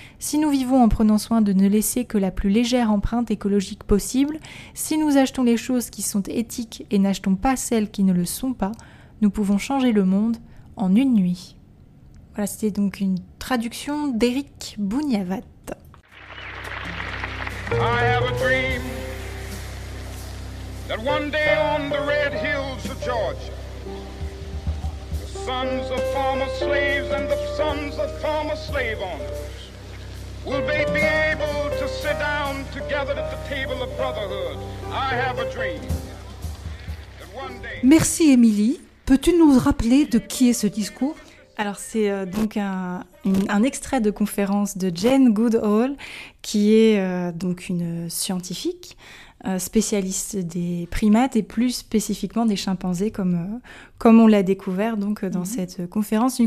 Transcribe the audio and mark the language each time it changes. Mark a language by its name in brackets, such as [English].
[French] Si nous vivons en prenant soin de ne laisser que la plus légère empreinte écologique possible, si nous achetons les choses qui sont éthiques et n'achetons pas celles qui ne le sont pas, nous pouvons changer le monde en une nuit. Voilà, c'était donc une traduction d'Éric Bougnavat. [English] I have a dream that one day on the red hills of Georgia, the sons of former slaves and the sons of former slave owners will they be able to sit down together at the table of brotherhood. I have a dream that one day... [French] Merci, Émilie. Peux-tu nous rappeler de qui est ce discours? Alors, c'est donc un extrait de conférence de Jane Goodall, qui est donc une scientifique, spécialiste des primates et plus spécifiquement des chimpanzés comme on l'a découvert donc dans cette conférence.